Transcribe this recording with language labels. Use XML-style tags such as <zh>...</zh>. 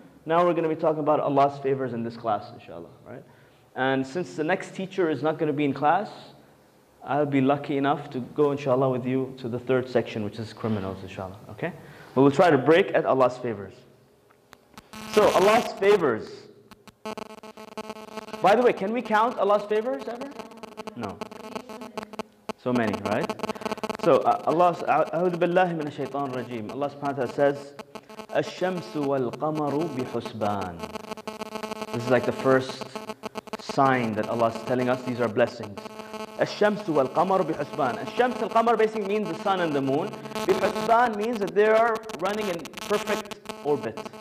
<en>Now we're going to be talking about Allah's favors in this class, inshallah, right? And since the next teacher is not going to be in class, I'll be lucky enough to go, inshallah, with you to the third section, which is criminals, inshallah, okay? But we'll try to break at Allah's favors. So, Allah's favors. By the way, can we count Allah's favors ever? No. So many, right?</en> <ar>So, أعوذ بالله من الشيطان الرجيم.</ar> <en>Allah subhanahu wa ta'ala says,</en> <ar>الشمس والقمر بحسبان.</ar> <en>This is like the first sign that Allah is telling us these are blessings.</en> <ar>الشمس والقمر بحسبان. الشمس والقمر</ar> <en>basically means the sun and the moon.</en> <ar>بحسبان</ar> <en>means that they are running in perfect orbit.</en>